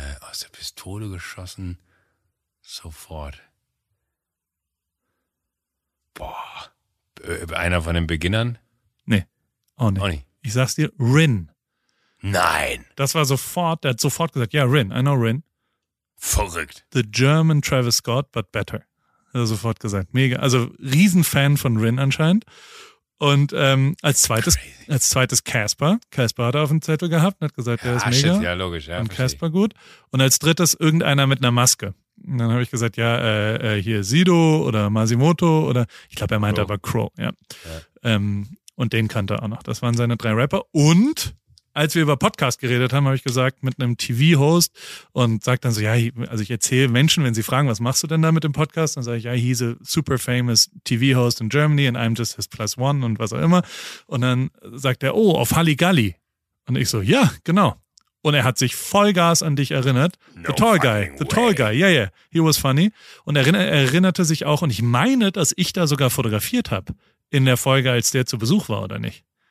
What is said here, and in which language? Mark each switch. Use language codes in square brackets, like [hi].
[de] Aus der Pistole geschossen, sofort. Boah. Einer von den Beginnern? Nee. Auch nicht. Ich sag's dir, Rin. Nein. Das war sofort, der hat sofort gesagt, ja, Rin, [en] I know Rin. [de] Verrückt. [en] The German Travis Scott, but better. [de] Hat er sofort gesagt. Mega. Also Riesenfan von Rin anscheinend. Und als zweites Casper. Casper hat er auf dem Zettel gehabt und hat gesagt, der ist mega. Shit, ja, logisch. Ja, und Casper gut. Und als drittes irgendeiner mit einer Maske. Und dann habe ich gesagt, hier Sido oder Masimoto oder, ich glaube, er meinte aber Crow. Ja. Und den kannte er auch noch. Das waren seine drei Rapper. Und als wir über Podcast geredet haben, habe ich gesagt, mit einem TV-Host und sagt dann so, ja, also ich erzähle Menschen, wenn sie fragen, was machst du denn da mit dem Podcast? Dann sage ich, ja, [en] he's a super famous TV-Host in Germany and I'm just his plus one [de] und was auch immer. Und dann sagt er, oh, auf Halligalli. Und ich so, ja, genau. Und er hat sich Vollgas an dich erinnert. [en] The tall guy. Yeah, yeah. He was funny. [de] Und erinnerte sich auch, und ich meine, dass ich da sogar fotografiert habe in der Folge, als der zu Besuch war, oder nicht?